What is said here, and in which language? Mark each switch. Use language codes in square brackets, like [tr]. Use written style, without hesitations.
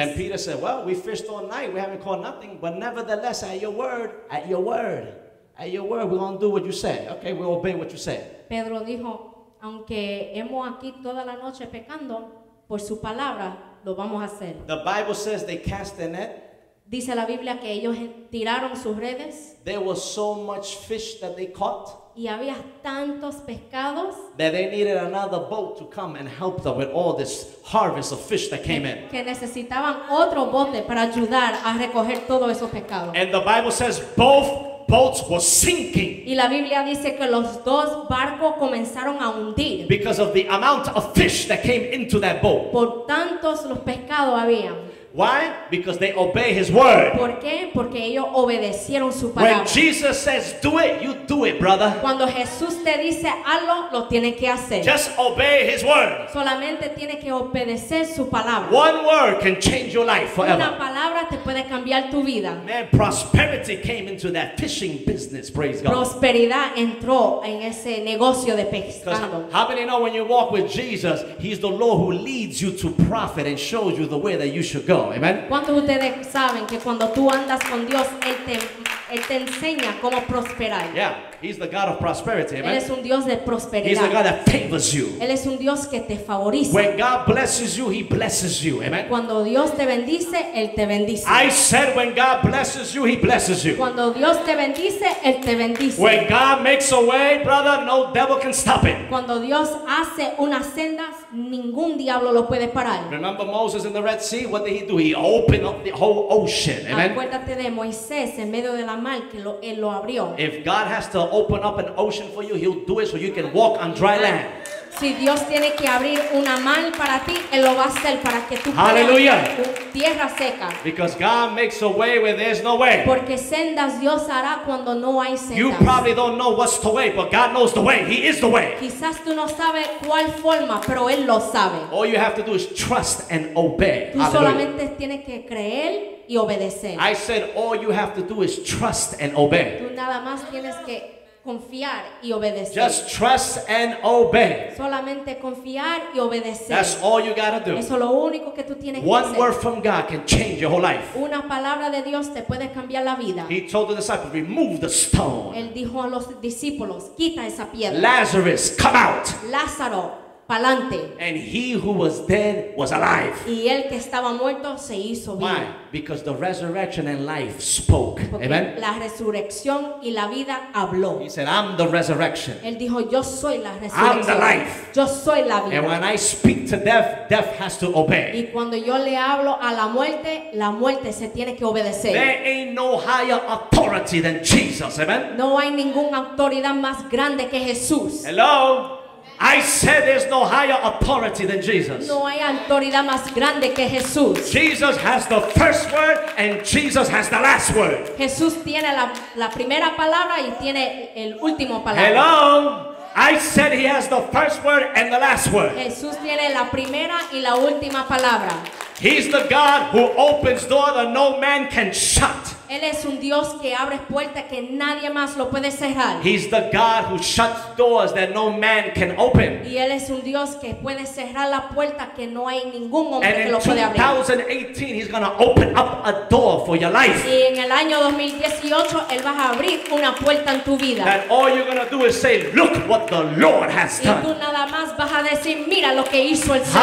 [en] And Peter said, "Well, we fished all night. We haven't caught nothing. But nevertheless, at your word, we're going to do what you say." Okay, we'll obey what you say. [es] Pedro dijo, "Aunque hemos aquí toda la noche pecando, por su palabra lo vamos a hacer." [en] The Bible says they cast the net. [es] Dice la Biblia que ellos tiraron sus redes. [en] There was so much fish that they caught. [es] Y había tantos pescados. [en] That they needed another boat to come and help them with all this harvest of fish that came in. [es] Que necesitaban otro bote para ayudar a recoger todos esos pescados. [en] And the Bible says both boats were sinking. [es] Y la Biblia dice que los dos barcos comenzaron a hundir. [en] Because of the amount of fish that came into that boat. [es] Por tantos los pescados habían. [en] Why? Because they obey his word. [es] ¿Por qué? Porque ellos obedecieron su palabra. [en] When Jesus says do it, you do it, brother. [es] Cuando Jesús te dice hazlo, lo tienes que hacer. [en] Just obey his word. [es] Solamente tienes que obedecer su palabra. [en] One word can change your life forever. [es] Una palabra te puede cambiar tu vida. [en] Man, prosperity came into that fishing business, praise God. [es] Prosperidad entró en ese negocio de pescando. [en] How many know when you walk with Jesus, he's the Lord who leads you to profit and shows you the way that you should go? [es] ¿Cuántos de ustedes saben que cuando tú andas con Dios, Él te enseña cómo prosperar? [en] Yeah, he's the God of prosperity, amen. [es] Él es un Dios de prosperidad. [en] He's the God that favors you. [es] Él es un Dios que te favorece. [en] When God blesses you, he blesses you, amen. [es] Cuando Dios te bendice, Él te bendice. [en] I said when God blesses you, he blesses you. [es] Cuando Dios te bendice, Él te bendice. [en] When God makes a way, brother, no devil can stop it. [es] Cuando Dios hace una senda, ningún diablo lo puede parar. [en] Remember Moses in the Red Sea? What did he do? He opened up the whole ocean, amen. [es] Acuérdate de Moisés en medio de la mar que él lo abrió. [en] If God has to open up an ocean for you, he'll do it so you can walk on dry land. [es] Si Dios tiene que abrir una mar para ti, él lo va a hacer para que tú puedas tu tierra seca. [en] Because God makes a way where there's no way. [es] Porque sendas Dios hará cuando no hay sendas. [en] You probably don't know what's the way, but God knows the way. He is the way. [es] Quizás tú no sabes cuál forma, pero él lo sabe. [en] All you have to do is trust and obey. [es] Tú solamente tienes que creer. Y obedecer. [en] I said all you have to do is trust and obey. [es] Tú nada más tienes que confiar y obedecer. [en] Just trust and obey. [es] Solamente confiar y obedecer. [en] That's all you gotta do. [es] Eso es lo único que tú tienes [en] One [es] que hacer. [en] One word from God can change your whole life. [es] Una palabra de Dios te puede cambiar la vida. [en] He told the disciples, "Remove the stone." [es] Él dijo a los discípulos, "Quita esa piedra." [en] Lazarus, come out. [es] Lázaro, palante. [en] And he who was dead was alive. [es] Y el que estaba muerto se hizo vivo. [en] Why? Because the resurrection and life spoke. [es] Porque amen. La resurrección y la vida habló. [en] He said, "I'm the resurrection." [es] Él dijo, "Yo soy la resurrección." [en] I'm the life. [es] Yo soy la vida. [en] And when I speak to death, death has to obey. [es] Y cuando yo le hablo a la muerte se tiene que obedecer. [en] There ain't no higher authority than Jesus. Amen. [es] No hay ninguna autoridad más grande que Jesús. [en] Hello. I said there's no higher authority than Jesus. [es] No hay autoridad más grande que Jesús. [en] Jesus has the first word and Jesus has the last word. [es] Jesús tiene la primera palabra y tiene el último palabra. [en] Hello. I said he has the first word and the last word. [es] Jesús tiene la primera y la última palabra. [en] He's the God who opens doors that no man can shut. [es] Él es un Dios que abre puertas que nadie más lo puede cerrar. [en] He's the God who shuts doors that no man can open. [es] Y él es un Dios que puede cerrar la puerta que no hay ningún hombre [en] and [es] que lo puede abrir. [en] And in 2018, he's going to open up a door for your life. [es] Y en el año 2018, él va a abrir una puerta en tu vida. [en] And all you're going to do is say, "Look what the Lord has done." [es] Y tú nada más vas a decir, "Mira lo que hizo el Señor."